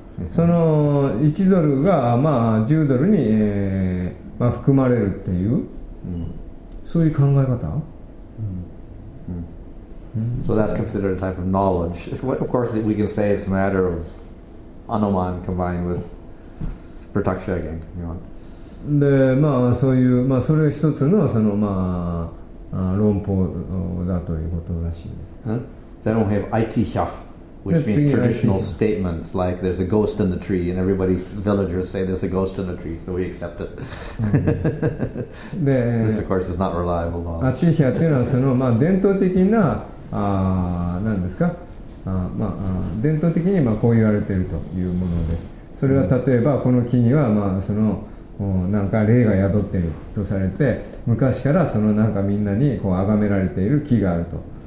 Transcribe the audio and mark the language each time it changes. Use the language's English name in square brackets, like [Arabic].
[Japanese] その1ドルがまあ10ドルに、まあ、含まれるっていう、そういう考え方、 [English] So that's considered a type of knowledge. Of course, we can say it's a matter of anuman combined with pratyaksha again. [Japanese] で、まあそういう、まあ、それ一つのそのまあ論法だということらしいです。 [English] Then we have aitihya. Which means traditional statements like there's a ghost in the tree and everybody, villagers say there's a ghost in the tree so we accept it. This of course is not reliable. [Japanese] アチヒアっていうのはそのまあ伝統的な何ですか、まあ伝統的にまあこう言われているというものです。それは例えばこの木にはまあそのなんか霊が宿っているとされて、昔からそのなんかみんなにこう崇められている木があると。